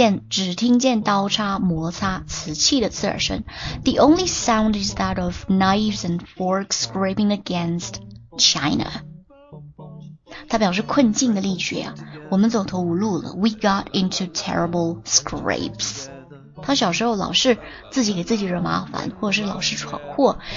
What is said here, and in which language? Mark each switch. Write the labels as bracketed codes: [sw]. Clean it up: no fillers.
[zh] 只听见刀叉摩擦瓷器的刺耳声。 [en] The only sound is that of knives and forks scraping against china. [zh] 它表示困境的力学啊，我们走投无路了。 [en] We got into terrible scrapes. [zh] 他小时候老是自己给自己惹麻烦，或者是老是闯祸。